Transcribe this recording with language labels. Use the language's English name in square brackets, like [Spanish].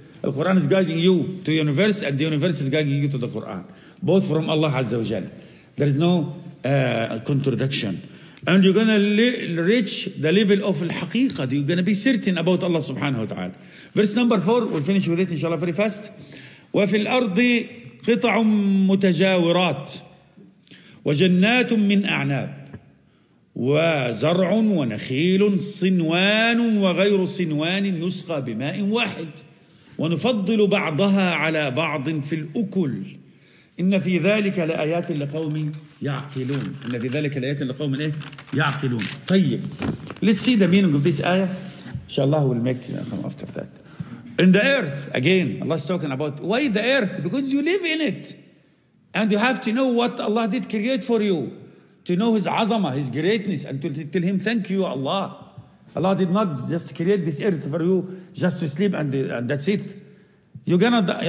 [English] The Quran is guiding you to the universe and the universe is guiding you to the Quran. Both from Allah Azza wa Jal. There is no contradiction. And you're going to reach the level of al-haqiqah. You're going to be certain about Allah subhanahu wa ta'ala. Verse number 4, we'll finish with it inshallah very fast. [Arabic] وَفِي الْأَرْضِ قِطَعٌ مُتَجَاوِرَاتٌ وَجَنَّاتٌ مِّنْ أَعْنَابٌ وَزَرْعٌ وَنَخِيلٌ صِنْوَانٌ وَغَيْرُ صِنْوَانٍ يُسْقَى بِمَاءٍ وَاحِدٍ وَنُفَضِّلُ بَعْضَهَا عَلَى بَعْضٍ فِي الْأُكُلِ إن في ذلك لآيات لقوم يعقلون. إن في ذلك لآيات لقوم إيه؟ يعقلون. [English] طيب. Let's see the meaning of this ayah. Inshallah we'll make come after that. In the earth, again, Allah is talking about why the earth? Because you live in it. And you have to know what Allah did create for you. To know His azama, His greatness, and to tell Him, thank you, Allah. Allah did not just create this earth for you just to sleep and that's it. You're gonna die.